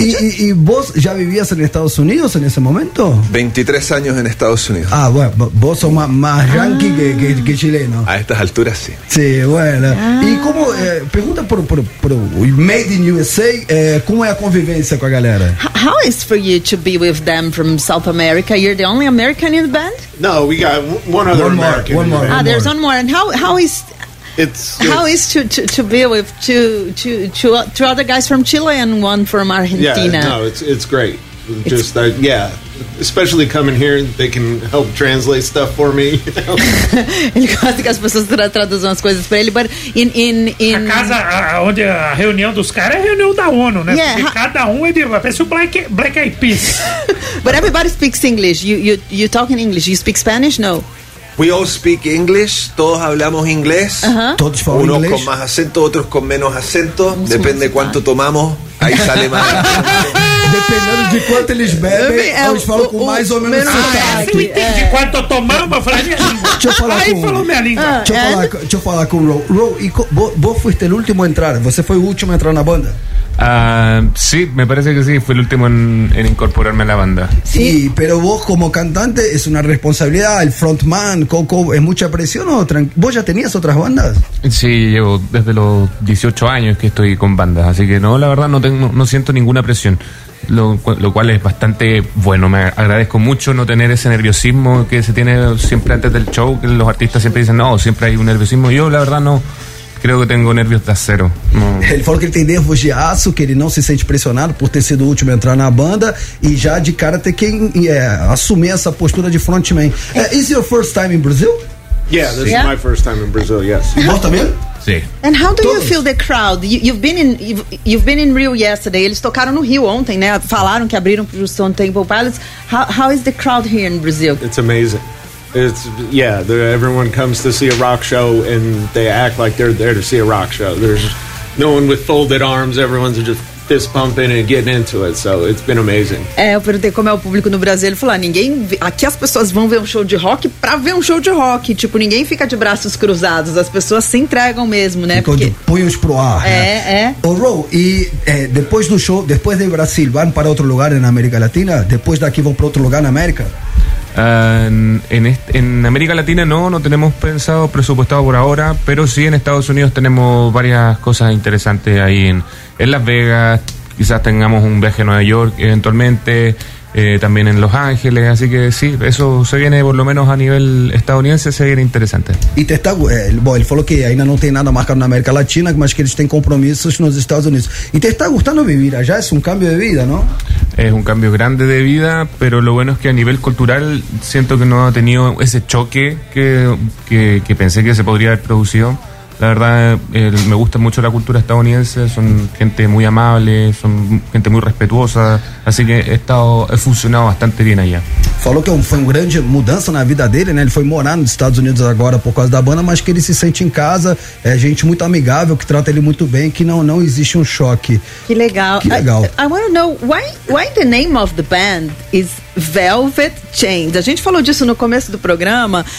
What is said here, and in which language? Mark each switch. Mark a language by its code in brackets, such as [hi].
[pt] E vos já vivias em Estados Unidos em esse momento? 23 anos em Estados Unidos. Ah, bom, vos sou mais yankee que chileno. [es] A estas alturas, sim. [pt] Sim, bueno. E como, pergunta pro Made in USA, como é a convivência com a galera? [en] How is for you to be with them from South America? You're the only American in the band? No, we got one other American. There's one more. And how is to be with two other guys from Chile and one from Argentina? Yeah, no, it's great. just that, yeah. Especially coming here, they can help translate stuff for me. [pt] Ele gosta que as pessoas traduzam as coisas para ele, [en] but in [pt] a casa onde a reunião dos caras é a reunião da ONU, né? Yeah, cada um é de parece o Black Eyed Peas. [en] But everybody speaks English. You talk in English. You speak Spanish? No. We all speak English. [es] Todos hablamos inglés. Uh-huh. Todos hablamos unos inglés. Unos con más acento, otros con menos acento. Vamos depende cuánto that. Tomamos. Aí sale mais. [pt] Dependendo de quanto eles bebem, eles falam com mais ou menos sotaque. Ah, eu entendi. Quanto eu tomava, eu falei minha língua. Deixa eu falar aí com, falou minha língua. Deixa eu falar com o Ro. Ro, e vos fuiste o último a entrar? Você foi o último a entrar na banda? [es] Sí, me parece que sí, fui el último en incorporarme a la banda. Sí, pero vos como cantante es una responsabilidad, el frontman, Coco, ¿es mucha presión o vos ya tenías otras bandas? Sí, llevo desde los 18 años que estoy con bandas, así que no, la verdad no siento ninguna presión, lo cual es bastante bueno, me agradezco mucho no tener ese nerviosismo que se tiene siempre antes del show, que los artistas siempre dicen, no, siempre hay un nerviosismo, yo la verdad no. Creo que tengo nervios de acero. [pt] Ele falou que ele tem nervos de aço, que ele não se sente pressionado por ter sido o último a entrar na banda e já de cara ter que assumir essa postura de frontman. [en] Is your first time in Brazil? Yeah, this is my first time in Brazil, yes. [pt] Você também? Sim. [en] And how do you feel the crowd? You've been in Rio yesterday. [pt] Eles tocaram no Rio ontem, né? Falaram que abriram pro Stone Temple Pilots. [en] How is the crowd here in Brazil? It's amazing. It's everyone comes to see a rock show and they act like they're there to see a rock show. There's no one with folded arms, everyone's just fist pumping and getting into it. So it's been amazing. [pt] Eu perguntei como é o público no Brasil, ele falou, ninguém, aqui as pessoas vão ver um show de rock pra ver um show de rock, tipo, ninguém fica de braços cruzados, as pessoas se entregam mesmo, né? Porque punhos pro ar. O Ro, e depois do show, depois de Brasil, vão para outro lugar na América Latina? Depois daqui vão para outro lugar na América? [es] En América Latina no tenemos pensado, presupuestado por ahora, pero sí en Estados Unidos tenemos varias cosas interesantes ahí en Las Vegas, quizás tengamos un viaje a Nueva York eventualmente, también en Los Ángeles, así que sí, eso se viene por lo menos a nivel estadounidense, se viene interesante. Y te está, él falou que ainda no tiene nada marcado en América Latina, mas que ellos tienen compromisos en los Estados Unidos. ¿Y te está gustando vivir allá? Es un cambio de vida, ¿no? Es un cambio grande de vida, pero lo bueno es que a nivel cultural siento que no ha tenido ese choque que pensé que se podría haber producido. La verdad, me gusta mucho la cultura estadounidense, son gente muy amable, son gente muy respetuosa, así que he funcionado bastante bien allá. [pt] Falou que foi uma grande mudança na vida dele, né? Ele foi morar nos Estados Unidos agora por causa da banda, mas que ele se sente em casa, é gente muito amigável, que trata ele muito bem, que não existe choque. Que legal. Que legal. [en] I want to know, why the name of the band is Velvet Chains? [pt] A gente falou disso no começo do programa.